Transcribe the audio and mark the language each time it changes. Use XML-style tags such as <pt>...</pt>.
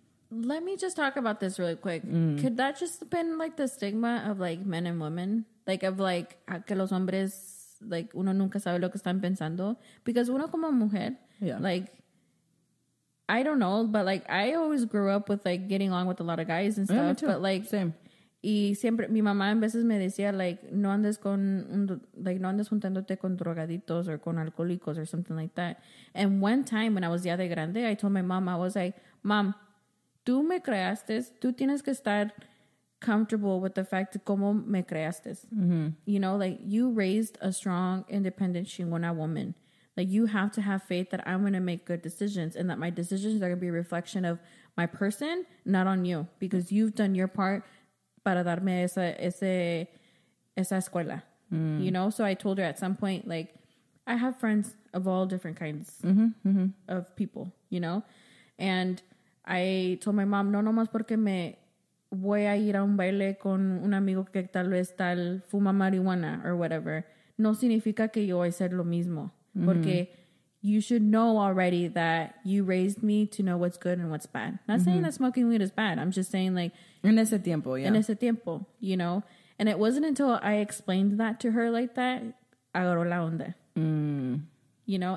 <en>Let me just talk about this really quick. Could that just have been, like, the stigma of, like, men and women?</en> <es>Like, of, like, que los hombres, like, uno nunca sabe lo que están pensando. Because uno como mujer, like...</es> <en>I don't know, but, like, I always grew up with, like, getting along with a lot of guys and stuff. Yeah, me too. But, like, same.</en> <es>Y siempre, mi mamá a veces me decía, like, no andes con, like, no andes juntándote con drogaditos or con alcohólicos or something like that.</es> <en>And one time when I was ya de grande, I told my mom, I was like, Mom, tú me creaste, tú tienes que estar comfortable with the fact cómo me creaste. Mm-hmm. You know, like, you raised a strong, independent, chingona woman. Like, you have to have faith that I'm going to make good decisions and that my decisions are going to be a reflection of my person, not on you. Because you've done your part para darme esa escuela. Mm. You know? So I told her at some point, like, I have friends of all different kinds of people, you know?</en> <es>And I told my mom, no nomás porque me voy a ir a un baile con un amigo que tal vez tal fuma marihuana or whatever. No significa que yo voy a hacer lo mismo.</es> <en>Porque you should know already that you raised me to know what's good and what's bad. Not saying that smoking weed is bad. I'm just saying, like...</en> <es>En ese tiempo, yeah. En ese tiempo, you know?</es> <en>And it wasn't until I explained that to her like that, agarró la onda. You know?</en>